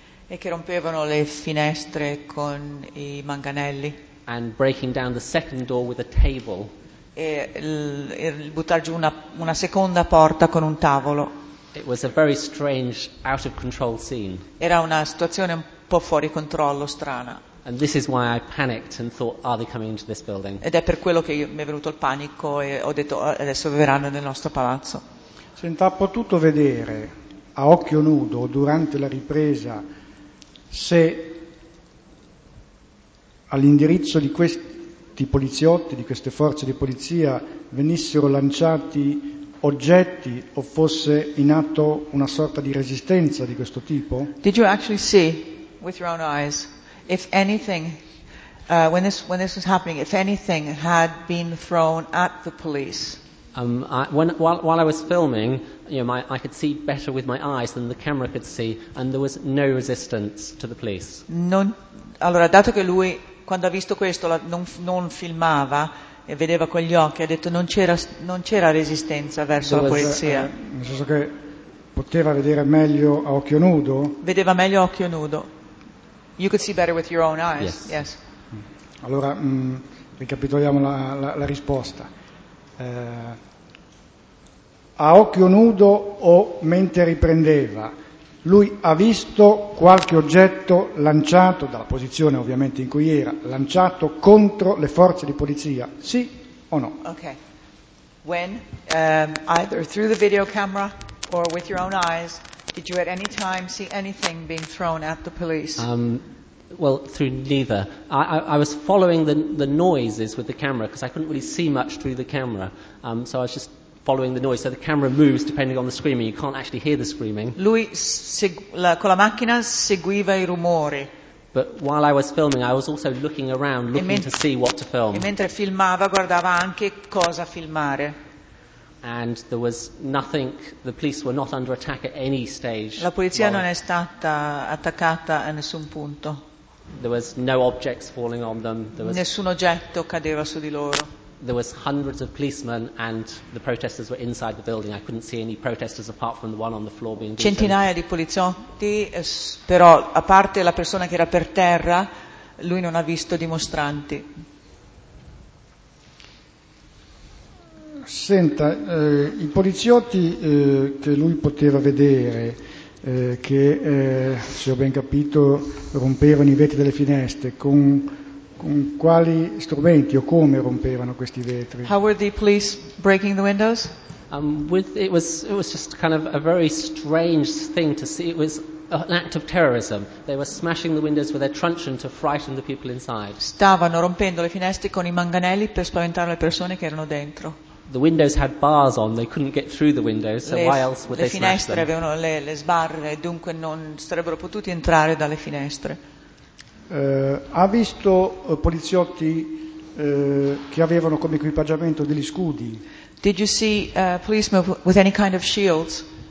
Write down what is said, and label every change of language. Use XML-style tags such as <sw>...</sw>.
<it>E che rompevano le finestre con i manganelli.</it> <en>And breaking down the second door with a table.</en> <it>E buttare giù una seconda porta con un tavolo.</it> <en>It was a very strange, out of control scene.</en> <it>Era una situazione un po' fuori controllo, strana.</it> <en>And this is why I panicked and thought, are they coming into this building?</en> <it>Ed è per quello che mi è venuto il panico e ho detto adesso verranno nel nostro palazzo. Senta, ha potuto vedere a occhio nudo durante la ripresa se all'indirizzo di questi poliziotti, di queste forze di polizia, venissero lanciati oggetti o fosse in atto una sorta di resistenza di questo tipo?</it> <en>Did you actually see with your own eyes? If anything, when this was happening, if anything had been thrown at the police, While I was filming, I could see better with my eyes than the camera could see, and there was no resistance to the police.</en> <it>Non, allora dato che lui quando ha visto questo non filmava e vedeva con gli occhi, ha detto non c'era resistenza verso la polizia. Nel senso che poteva vedere meglio a occhio nudo. Vedeva meglio a occhio nudo.</it> <en>You could see better with your own eyes. Yes.</en> <it>Allora, ricapitoliamo la risposta. A occhio nudo o mentre riprendeva, lui ha visto qualche oggetto lanciato dalla posizione ovviamente in cui era, lanciato contro le forze di polizia, sì o no?</it> <en>Okay. When, either through the video camera or with your own eyes, did you at any time see anything being thrown at the police? Well, through neither. I was following the noises with the camera because I couldn't really see much through the camera. So I was just following the noise. So the camera moves depending on the screaming. You can't actually hear the screaming.</en> <it>Lui con la macchina seguiva i rumori.</it> <en>But while I was filming, I was also looking around, looking to see what to film.</en> <it>E mentre filmava, guardava anche cosa filmare.</it> <en>And there was nothing, the police were not under attack at any stage.</en> <it>La polizia non è stata attaccata a nessun punto.</it> <en>There was no objects falling on them. There was</en> <it>nessun oggetto cadeva su di loro.</it> <en>There was hundreds of policemen and the protesters were inside the building. I couldn't see any protesters apart from the one on the floor being beaten.</en> <it>Centinaia di poliziotti, però a parte la persona che era per terra, lui non ha visto dimostranti. Senta, i poliziotti che lui poteva vedere, che se ho ben capito rompevano i vetri delle finestre con con quali strumenti o come rompevano questi vetri.</it> <en>How were the police breaking the windows? It was just kind of a very strange thing to see. It was an act of terrorism. They were smashing the windows with their truncheon to frighten the people inside.</en> <it>Stavano rompendo le finestre con I manganelli per spaventare le persone che erano dentro.</it> <en>The windows had bars on, they couldn't get through the windows, so why else would they smash them?</en> <it>Le finestre avevano le sbarre, dunque non sarebbero potuti entrare dalle finestre. Ha visto poliziotti che avevano come equipaggiamento degli scudi?</it> <en>Did you see policemen with any kind of shields?</en>